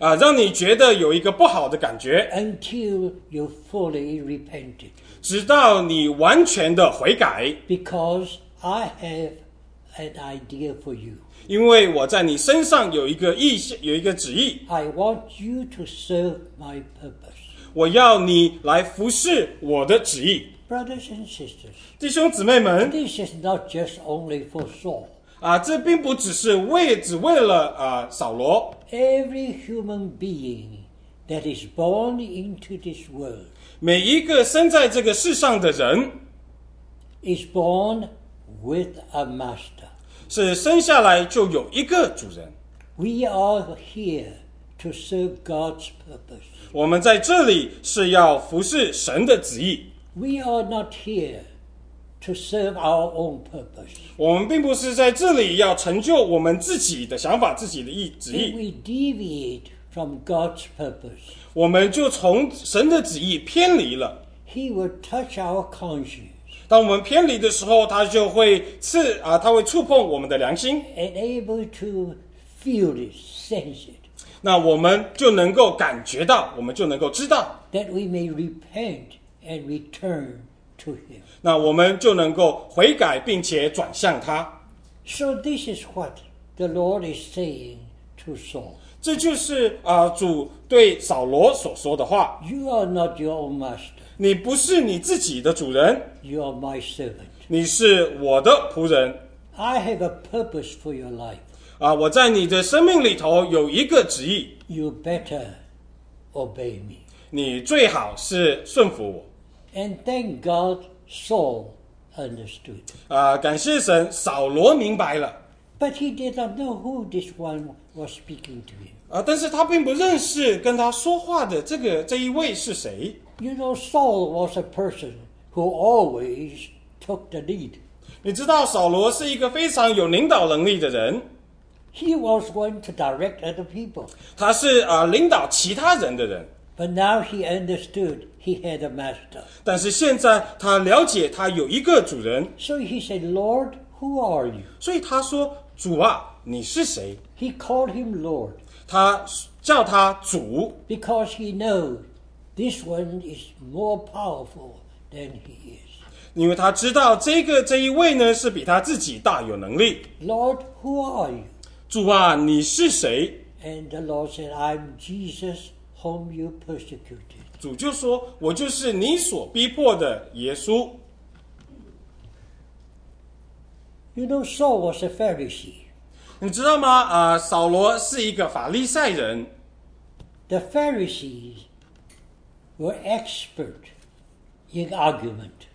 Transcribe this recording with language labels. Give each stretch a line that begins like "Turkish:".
Chinese: 让你觉得有一个不好的感觉
English: until you fully repented.
Chinese: 直到你完全的悔改
English: Because I have an idea for you.
Chinese: 因为我在你身上有一个意向，有一个旨意
English: I want you to serve my purpose.
Chinese: 我要你来服侍我的旨意
English: Brothers and sisters,
Chinese: 弟兄姊妹们
English: This is not just only for Saul.
Chinese: 这并不只是只为了扫罗
English: Every human being that is born into this world,
Chinese: 每一个生在这个世上的人
English: is born with a master.
Chinese: 是生下来就有一个主人。
English: We are here to serve God's purpose.
Chinese: 我们在这里是要服侍神的旨意。
English: We are not here to serve our own purpose.
Chinese: 我们并不是在这里要成就我们自己的想法、自己的旨意。
English: If we deviate from God's purpose.
Chinese: 我们就从神的旨意偏离了。
English: He will touch our conscience.
Chinese: 当我们偏离的时候，他就会他会触碰我们的良心。
English: And able to feel it, sense it.
Chinese: 那我们就能够感觉到，我们就能够知道。
English: That we may repent and return to Him.
Chinese: 那我们就能够悔改并且转向他。
English: So this is what the Lord is saying to Saul.
Chinese: 这就是主对扫罗所说的话。
English: You are not your own master.
Chinese: 你不是你自己的主人。
English: You are my servant.
Chinese: 你是我的仆人。
English: I have a purpose for your life.
Chinese: 我在你的生命里头有一个旨意。
English: You better obey me.
Chinese: 你最好是顺服我。
English: And thank God, Saul understood.
Chinese: 感谢神，扫罗明白了。
English: But he did not know who this one was speaking to him.
Chinese: 但是他并不认识跟他说话的这一位是谁。
English: You know, Saul was a person who always took the lead.
Chinese: 你知道扫罗是一个非常有领导能力的人。
English: He was one to direct other people.
Chinese: 他是领导其他人的人。
English: But now he understood he had a master.
Chinese: 但是现在他了解他有一个主人。
English: So he said, Lord,Who are you?
Chinese: 所以他说主啊你是谁
English: He called him Lord.
Chinese: 他叫他主
English: Because he knows this one is more powerful than he is.
Chinese: 因为他知道这一位呢是比他自己大有能力
English: Lord, who are you?
Chinese: 主啊你是谁
English: And the Lord said, I'm Jesus whom you persecuted.
Chinese: 主就说我就是你所逼迫的耶稣
English: You know, Saul was a Pharisee.
Chinese: 你知道吗？扫罗是一个法利赛人。
English: The Pharisees were expert in argument.